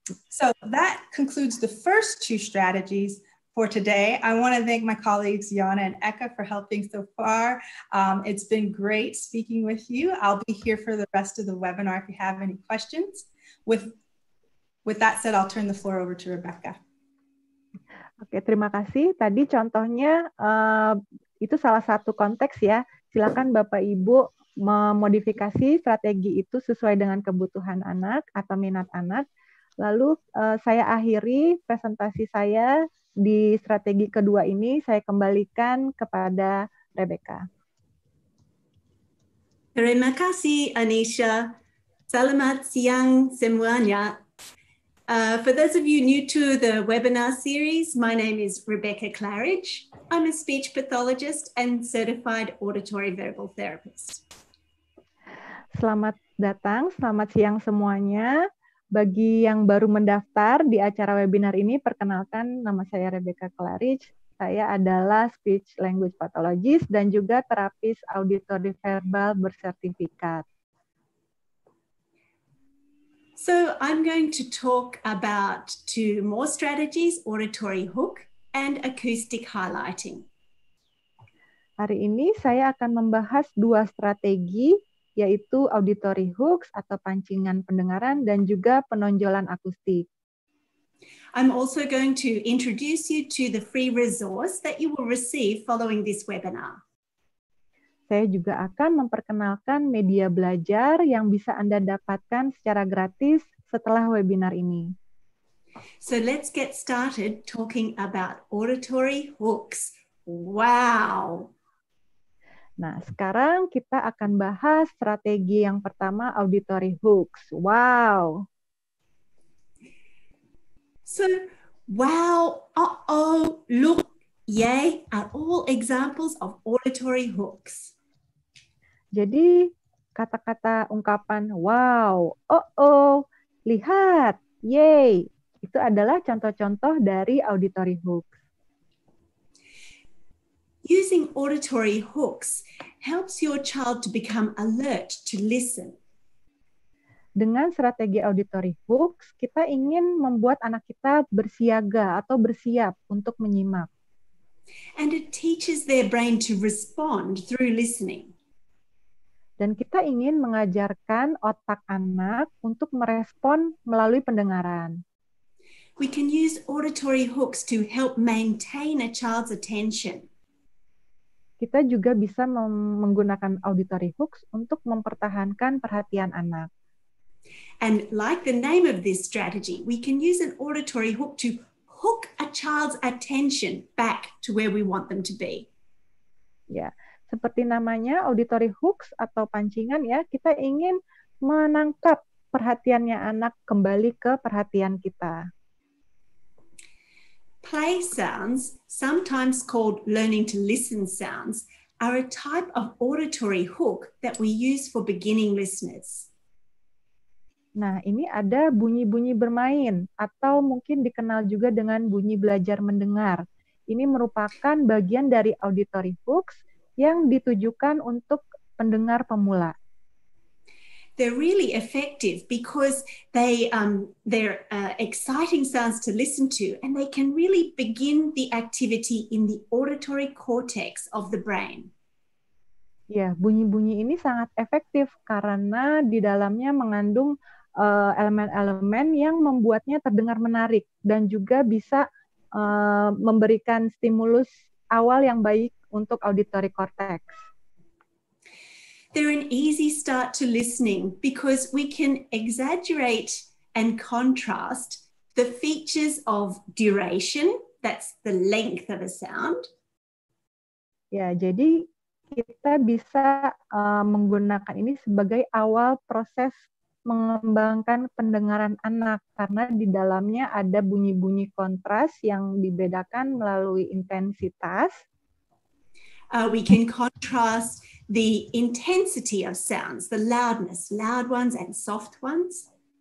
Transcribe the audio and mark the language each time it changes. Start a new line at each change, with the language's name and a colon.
English: So that concludes the first two strategies for today. I want to thank my colleagues, Yana and Eka, for helping so far. It's been great speaking with you. I'll be here for the rest of the webinar if you have any questions. With that said, I'll turn the floor over to Rebecca.
Indonesian: Oke, terima kasih. Tadi contohnya itu salah satu konteks ya. Silakan Bapak Ibu memodifikasi strategi itu sesuai dengan kebutuhan anak atau minat anak. Lalu saya akhiri presentasi saya di strategi kedua ini. Saya kembalikan kepada Rebecca. Terima kasih, Anisha. Selamat siang semuanya.
English: For those of you new to the webinar series, my name is Rebecca Claridge. I'm a speech pathologist and certified auditory verbal therapist.
Indonesian: Selamat datang, selamat siang semuanya. Bagi yang baru mendaftar di acara webinar ini, perkenalkan nama saya Rebecca Claridge. Saya adalah speech language pathologist dan juga terapis auditory verbal bersertifikat.
English: So I'm going to talk about two more strategies, auditory hook and acoustic highlighting.
Indonesian: Hari ini saya akan membahas dua strategi, yaitu auditory hooks atau pancingan pendengaran dan juga penonjolan akustik.
English: I'm also going to introduce you to the free resource that you will receive following this webinar.
Indonesian: Saya juga akan memperkenalkan media belajar yang bisa Anda dapatkan secara gratis setelah webinar ini.
English: So let's get started talking about auditory hooks. Wow!
Indonesian: Nah, sekarang kita akan bahas strategi yang pertama, auditory hooks. Wow!
English: So, wow, look, yay, are all examples of auditory hooks.
Indonesian: Jadi kata-kata ungkapan wow, oh, lihat, yay, itu adalah contoh-contoh dari auditory hooks.
English: Using auditory hooks helps your child to become alert to listen.
Indonesian: Dengan strategi auditory hooks, kita ingin membuat anak kita bersiaga atau bersiap untuk menyimak.
English: And it teaches their brain to respond through listening.
Indonesian: Dan kita ingin mengajarkan otak anak untuk merespon melalui pendengaran.
English: We can use auditory hooks to help maintain a child's attention.
Indonesian: Kita juga bisa menggunakan auditory hooks untuk mempertahankan perhatian anak.
English: And like the name of this strategy, we can use an auditory hook to hook a child's attention back to where we want them to be.
Indonesian: Yeah. Seperti namanya auditory hooks atau pancingan ya, kita ingin menangkap perhatiannya anak kembali ke perhatian kita.
English: Play sounds, sometimes called learning to listen sounds, are a type of auditory hook that we use for beginning listeners.
Indonesian: Nah, ini ada bunyi-bunyi bermain atau mungkin dikenal juga dengan bunyi belajar mendengar. Ini merupakan bagian dari auditory hooks yang ditujukan untuk pendengar pemula.
English: They're really effective because they're exciting sounds to listen to, and they can really begin the activity in the auditory cortex of the brain.
Indonesian: Ya, bunyi-bunyi ini sangat efektif karena di dalamnya mengandung elemen-elemen yang membuatnya terdengar menarik dan juga bisa memberikan stimulus awal yang baik untuk auditory cortex.
English: They're an easy start to listening because we can exaggerate and contrast the features of duration, that's the length of a sound.
Indonesian: Ya, jadi kita bisa menggunakan ini sebagai awal proses mengembangkan pendengaran anak karena di dalamnya ada bunyi-bunyi kontras yang dibedakan melalui intensitas.
English: We can contrast the intensity of sounds, the loudness, loud ones and soft ones.